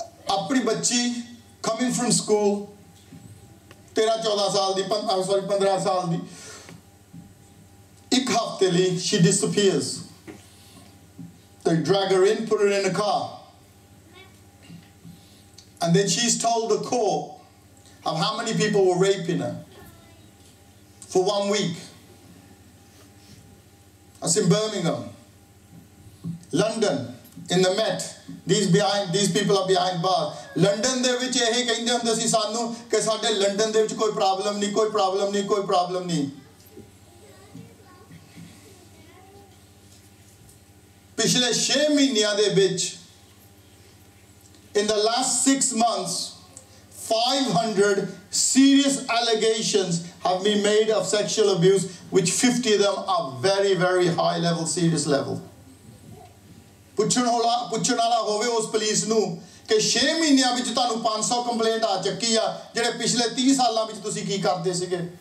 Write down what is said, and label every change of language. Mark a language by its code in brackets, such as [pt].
[pa] ਆਪਣੀ ਬੱਚੀ [en] coming from school, [pa] 13-14 ਸਾਲ ਦੀ, 15 ਸਾਲ ਦੀ, ਇੱਕ ਹਫ਼ਤੇ ਲਈ [en] she disappears. They drag her in, put her in a car. And then she's told the court of how many people were raping her for 1 week. That's in Birmingham. London, in the Met. These people are behind bars. London, they which are saying that they say that in London there is no problem, no problem, no problem. [pa] ਪਿਛਲੇ 6 ਮਹੀਨਿਆਂ ਦੇ ਵਿੱਚ [en] in the last 6 months 500 serious allegations have been made of sexual abuse which 50 of them are very very high level serious level [pa] ਪੁੱਛਣ ਵਾਲਾ ਹੋਵੇ ਉਸ police ਨੂੰ ਕਿ 6 ਮਹੀਨਿਆਂ ਵਿੱਚ ਤੁਹਾਨੂੰ 500 ਕੰਪਲੇਂਟ ਆ ਚੱਕੀ ਆ ਜਿਹੜੇ ਪਿਛਲੇ 30 ਸਾਲਾਂ ਵਿੱਚ ਤੁਸੀਂ ਕੀ ਕਰਦੇ ਸੀਗੇ